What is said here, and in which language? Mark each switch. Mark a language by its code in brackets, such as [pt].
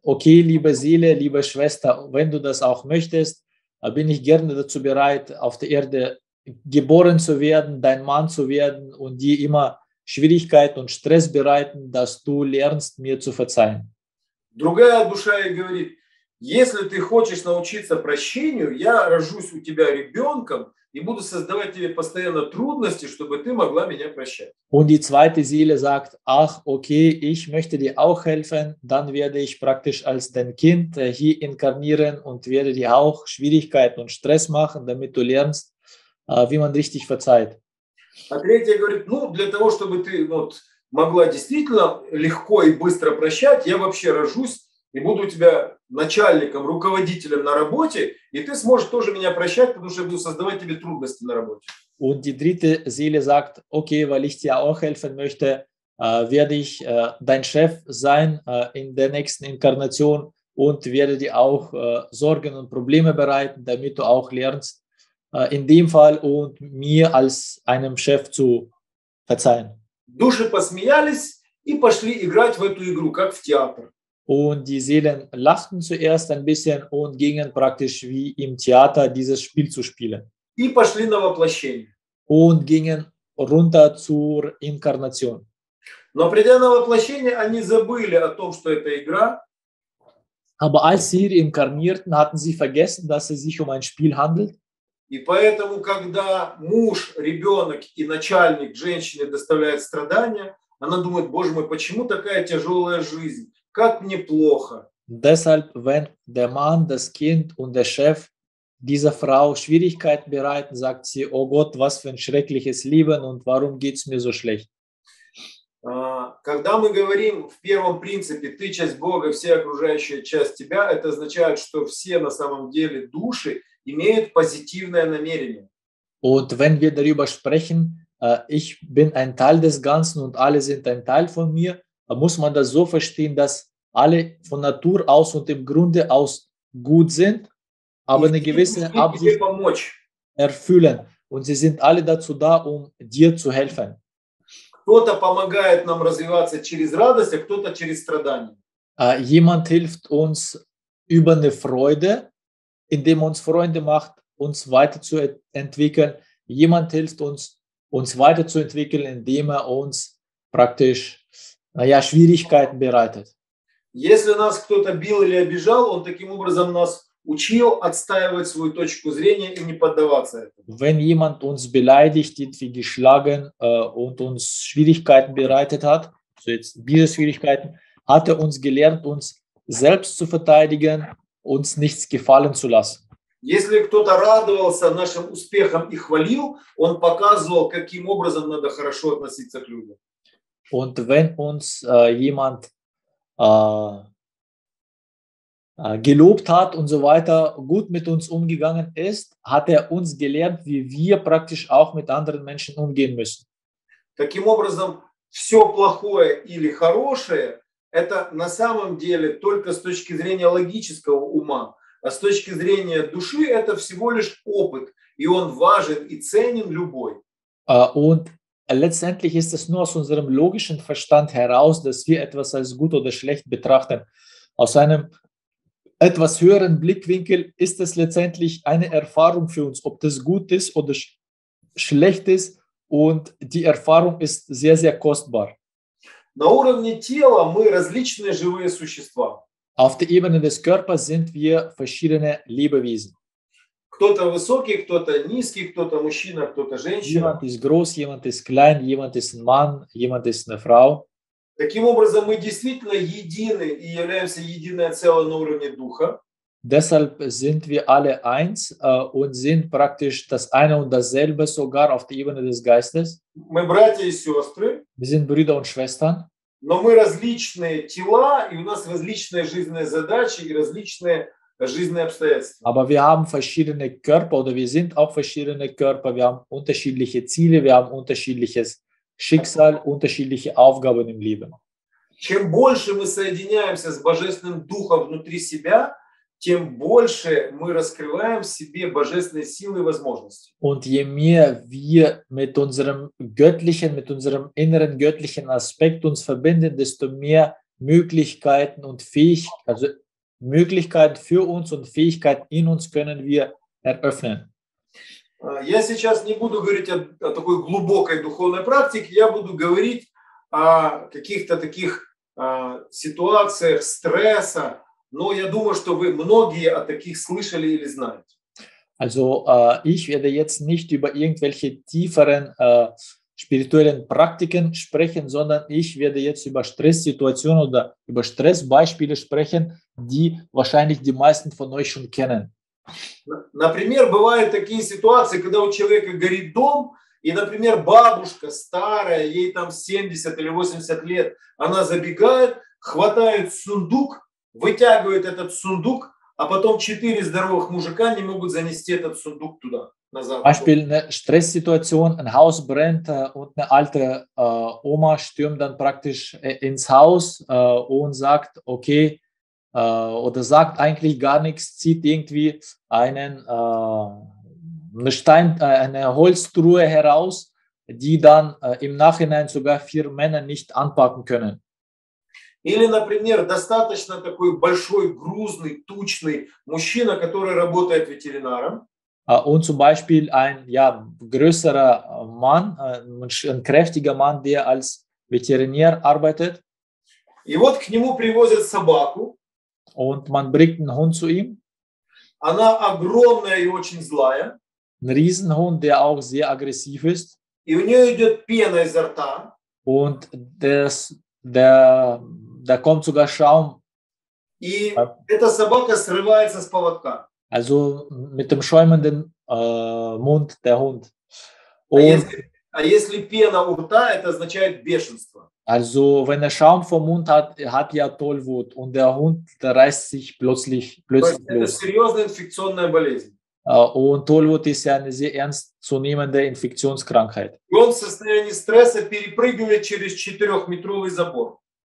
[de] okay, liebe Seele, liebe Schwester, wenn du das auch möchtest, bin ich gerne dazu bereit, auf der Erde geboren zu werden, dein Mann zu werden und dir immer Schwierigkeiten und Stress bereiten, dass du lernst, mir zu verzeihen. [ru] Другая душа говорит: если ты хочешь научиться прощению, я рожусь у тебя ребенком и буду создавать тебе постоянно трудности, чтобы ты могла меня прощать. [de] Und die zweite Seele sagt: ach, okay, ich möchte dir auch helfen, dann werde ich praktisch als dein Kind hier inkarnieren und werde dir auch Schwierigkeiten und Stress machen, damit du lernst, wie man richtig verzeiht. [ru] А третья говорит: ну, для того, чтобы ты вот могла действительно легко и быстро прощать, я вообще рожусь и буду у тебя начальником, руководителем на работе, и ты сможешь тоже меня прощать, потому что я буду создавать тебе трудности на работе. [de] Und die dritte Seele sagt: okay, weil ich dir auch helfen möchte, werde ich dein Chef sein in der nächsten Inkarnation und werde dir auch Sorgen und Probleme bereiten, damit du auch lernst, in dem Fall und mir als einem Chef zu verzeihen. [ru] Души посмеялись и пошли играть в эту игру, как в театр. [de] Und die Seelen lachten zuerst ein bisschen und gingen praktisch wie im Theater dieses Spiel zu spielen. [ru] И пошли на воплощение. [de] Und gingen runter zur Inkarnation. [ru] Но придя на воплощение, они забыли о том, что это игра. [de] Aber als sie inkarnierten, hatten sie vergessen, dass es sich um ein Spiel handelt. [ru] И поэтому, когда муж, ребенок и начальник женщине доставляют страдания, она думает, боже мой, почему такая тяжелая жизнь? Как мне плохо. [de] Deshalb, wenn der Mann, das Kind und der Chef dieser Frau Schwierigkeiten bereiten, sagt sie, oh Gott, was für ein schreckliches Leben und warum geht es mir so schlecht? [ru] Когда мы говорим в первом принципе, ты часть Бога, все окружающие часть тебя, это означает, что все на самом деле души имеют позитивное намерение. [de] Und wenn wir darüber sprechen, ich bin ein Teil des Ganzen und alle sind ein Teil von mir, muss man das so verstehen, dass alle von Natur aus und im Grunde aus gut sind, aber eine gewisse Absicht erfüllen. Und sie sind alle dazu da, um dir zu helfen. [ru] Кто-то помогает нам развиваться через радость, а кто-то через страдания. [de] Jemand hilft uns über eine Freude, indem uns Freunde macht, uns weiterzuentwickeln. Jemand hilft uns, uns weiterzuentwickeln, indem uns praktisch Schwierigkeiten bereitet. [ru] Если нас кто-то бил или обижал, он таким образом нас учил отстаивать свою точку зрения и не поддаваться этому. [de] Wenn jemand uns beleidigt, irgendwie geschlagen und uns Schwierigkeiten bereitet hat, so jetzt diese Schwierigkeiten, hat uns gelernt, uns selbst zu verteidigen, uns nichts gefallen zu lassen. [ru] Если кто-то радовался нашим успехам и хвалил, он показывал, каким образом надо хорошо относиться к людям. [de] Und wenn uns jemand gelobt hat und so weiter, gut mit uns umgegangen ist, hat uns gelernt, wie wir praktisch auch mit anderen Menschen umgehen müssen. [ru] Таким образом, все плохое или хорошее, это на самом деле только с точки зрения логического ума, а с точки зрения души это всего лишь опыт, и он важен и ценен любой. [de] Letztendlich ist es nur aus unserem logischen Verstand heraus, dass wir etwas als gut oder schlecht betrachten. Aus einem etwas höheren Blickwinkel ist es letztendlich eine Erfahrung für uns, ob das gut ist oder schlecht ist. Und die Erfahrung ist sehr, sehr kostbar. [ru] На уровне тела мы различные живые существа. [de] Auf der Ebene des Körpers sind wir verschiedene Lebewesen. [ru] Кто-то высокий, кто-то низкий, кто-то мужчина, кто-то женщина. [de] Jemand ist groß, jemand ist klein, jemand ist ein Mann, jemand ist eine Frau. [ru] Таким образом, мы действительно едины и являемся единое целое на уровне духа. [de] Deshalb sind wir alle eins und sind praktisch das eine und dasselbe sogar auf der Ebene des Geistes. [ru] Мы братья и сестры. [de] Wir sind Brüder und Schwestern. [ru] Но мы различные тела, и у нас различные жизненные задачи и различные [de] Aber wir haben verschiedene Körper oder wir sind auch verschiedene Körper. Wir haben unterschiedliche Ziele, wir haben unterschiedliches Schicksal, unterschiedliche Aufgaben im Leben. [ru] Чем больше мы соединяемся с Божественным Духом внутри себя, тем больше мы раскрываем в себе Божественные силы и возможности. [de] Und je mehr wir mit unserem göttlichen, mit unserem inneren göttlichen Aspekt uns verbinden, desto mehr Möglichkeiten und Fähigkeiten, also Möglichkeit für uns und Fähigkeit in uns können wir eröffnen. [ru] Я сейчас не буду говорить о такой глубокой духовной практике, я буду говорить о каких-то таких ситуациях стресса, но я думаю, что вы многие о таких слышали или знаете. [de] Also, ich werde jetzt nicht über irgendwelche tieferen spirituellen Praktiken sprechen, sondern ich werde jetzt über Stresssituationen oder über Stressbeispiele sprechen, die wahrscheinlich die meisten von euch schon kennen. [ru] Например, бывают такие ситуации, когда у человека горит дом, и, например, бабушка старая, ей там 70 или 80 лет, она забегает, хватает сундук, вытягивает этот сундук, а потом четыре здоровых мужика не могут занести этот сундук туда. [de] Beispiel eine Stresssituation, ein Haus brennt und eine alte Oma stürmt dann praktisch ins Haus und sagt, okay, oder sagt eigentlich gar nichts, zieht irgendwie eine Holztruhe heraus, die dann im Nachhinein sogar vier Männer nicht anpacken können. [ru] Или, например, достаточно такой большой, грузный, тучный мужчина, который работает ветеринаром. [de] Und zum Beispiel ein ja, größerer Mann, ein kräftiger Mann, der als Veterinär arbeitet. [ru] И вот к нему привозят собаку. [de] Und man bringt einen Hund zu ihm. [ru] Она огромная и очень злая. [de] Ein Riesenhund, der auch sehr aggressiv ist. [ru] И у нее идет пена изо рта. [de] Und das, da kommt sogar Schaum. [ru] И эта собака срывается с поводка. [de] Also mit dem schäumenden Mund der Hund. [ru] Если пена у рта, это означает бешенство. [de] Also wenn Schaum vom Mund hat, hat ja Tollwut und der Hund der reißt sich plötzlich los. [ru] Это серьезная инфекционная болезнь. [de] Und Tollwut ist ja eine sehr ernstzunehmende Infektionskrankheit. [ru] Он в состоянии стресса перепрыгивает через 4-метровый забор.